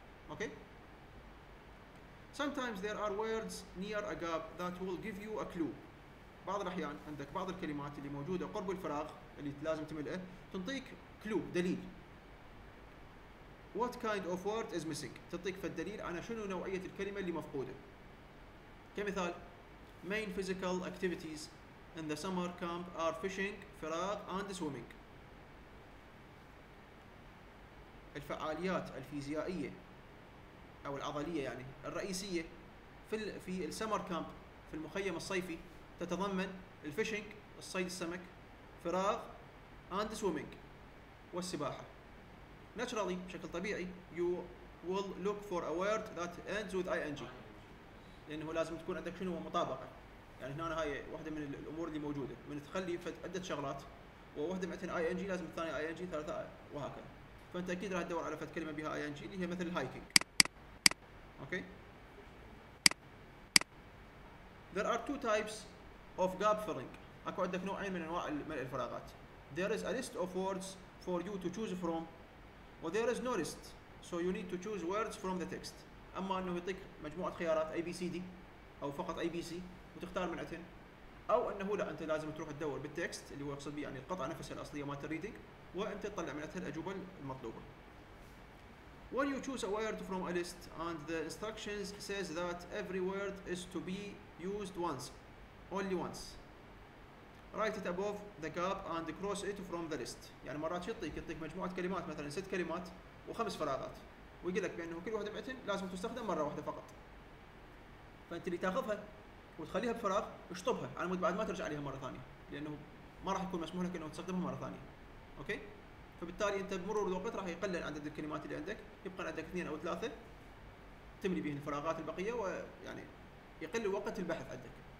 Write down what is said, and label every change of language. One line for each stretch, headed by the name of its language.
English: Okay sometimes there are words near a gap that will give you a clue.
Arabic: بعض الاحيان عندك بعض الكلمات اللي موجوده قرب الفراغ اللي لازم تملئه تنطيك كلو دليل.
English: What kind of word is missing؟
Arabic: تعطيك فالدليل على شنو نوعيه الكلمه اللي مفقوده.
English: كمثال main physical activities in the summer camp are fishing فراغ and swimming.
Arabic: الفعاليات الفيزيائيه او العضليه يعني الرئيسيه في السمر كامب في المخيم الصيفي تتضمن الفيشنج الصيد السمك فراغ اند سويمينج والسباحه.
English: naturally
Arabic: بشكل طبيعي
English: you will look for a word that ends with I N G,
Arabic: لانه لازم تكون عندك شنو مطابقه. يعني هنا هاي واحده من الامور اللي موجوده من تخلي عده شغلات وواحده معتن اي ان جي لازم الثانيه اي ان جي ثالثه وهكذا، فانت اكيد راح تدور على فد كلمه بها اي ان جي اللي هي مثل الهايكنج. Okay.
English: There are two types of gap filling.
Arabic: أكو عندك نوعين من أنواع ملء الفراغات.
English: There is a list of words for you to choose from, or there is no list, so you need to choose words from the text.
Arabic: أما أنه يعطيك مجموعة خيارات A B C D أو فقط A B C وتختار من عندهن، أو أنه لا أنت لازم تروح تدور بالتكست اللي هو يقصد به يعني القطعة نفسها الأصلية مالت الريدنج وأنت تطلع من عندها الأجوبة المطلوبة.
English: When you choose a word from a list and the instructions says that every word is to be used once, only once, write it above the gap and cross it from the list.
Arabic: يعني مرات يعطيك مجموعة كلمات مثلا ست كلمات وخمس فراغات ويقول لك بأنه كل واحدة منهم لازم تستخدم مرة واحدة فقط، فأنت اللي تاخذها وتخليها بفراغ اشطبها على مود بعد ما ترجع عليها مرة ثانية، لأنه ما راح يكون مسموح لك أنه تستخدمها مرة ثانية. أوكي؟ فبالتالي انت بمرور الوقت راح يقلل عدد الكلمات اللي عندك، يبقى عندك اثنين او ثلاثه تملي بهن الفراغات البقيه ويعني يقل وقت البحث عندك.